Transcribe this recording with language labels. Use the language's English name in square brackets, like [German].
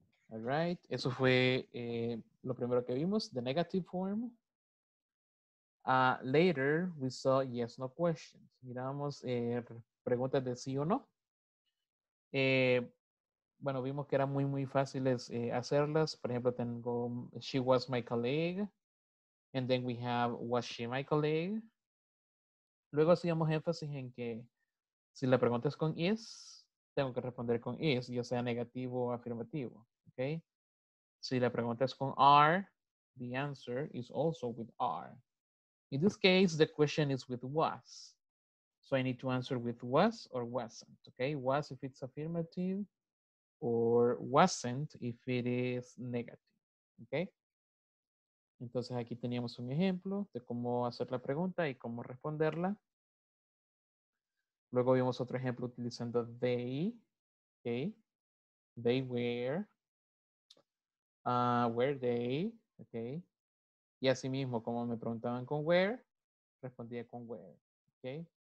[English] All right, [Spanish] eso fue lo primero que vimos, [English] the negative form. Later, we saw yes, no questions. [Spanish] Miramos preguntas de sí o no. Bueno, vimos que eran muy, muy fáciles hacerlas. Por ejemplo, tengo, [English] she was my colleague. And then we have, was she my colleague? [Spanish] Luego hacíamos énfasis en que si la pregunta es con is, tengo que responder con is, ya sea negativo o afirmativo. [English] Okay. [Spanish] Si la pregunta es con are, [English] the answer is also with are. In this case, the question is with was. So I need to answer with was or wasn't. Okay. Was if it's affirmative or wasn't if it is negative. Okay. [Spanish] Entonces aquí teníamos un ejemplo de cómo hacer la pregunta y cómo responderla. Luego vimos otro ejemplo utilizando they. Okay. [English] They were. Were they, [Spanish] okay. Y así mismo, como me preguntaban con where, respondía con where, okay.